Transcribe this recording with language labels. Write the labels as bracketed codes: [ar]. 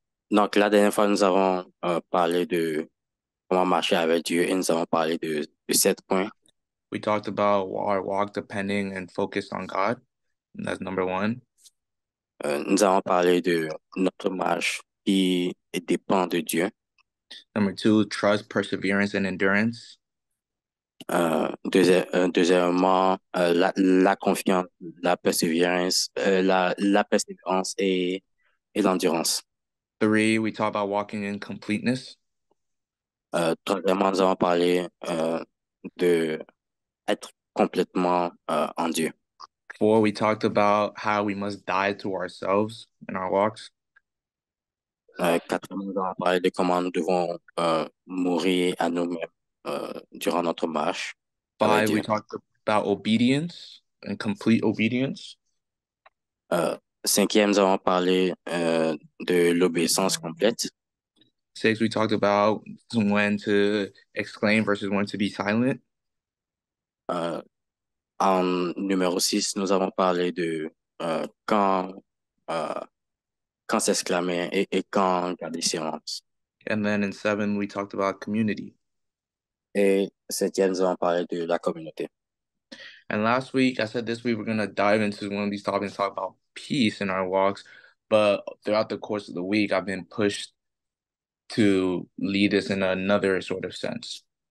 [fr] Donc la dernière fois nous avons parlé de comment marcher avec Dieu et nous avons parlé de 7 points. [en] We talked about our walk depending and focused on God. And that's number one. [fr] Nous avons parlé de notre marche qui dépend de Dieu. [en] Number two, trust, perseverance, and endurance. [fr] Deuxièmement, la confiance, la persévérance et l'endurance. [en] Three, we talk about walking in completeness. [fr] Troisièmement, nous avons parlé de être complètement en Dieu. [en] Four, we talked about how we must die to ourselves in our walks. [fr] Quatrièmement, nous avons parlé de comment nous devons mourir à nous-mêmes durant notre marche. [en] Five, we talked about obedience and complete obedience. [fr] Cinquième, nous avons parlé de l'obéissance complète. [en] Six, we talked about when to exclaim versus when to be silent. [fr] En numéro six, nous avons parlé de quand s'exclamer et quand garder silence. [en] And then in seven, we talked about community. [fr] Et septième, nous avons parlé de la communauté. [en] And last week, I said this week, we're going to dive into one of these topics and talk about peace in our walks. But throughout the course of the week, I've been pushed to lead this in another sort of sense.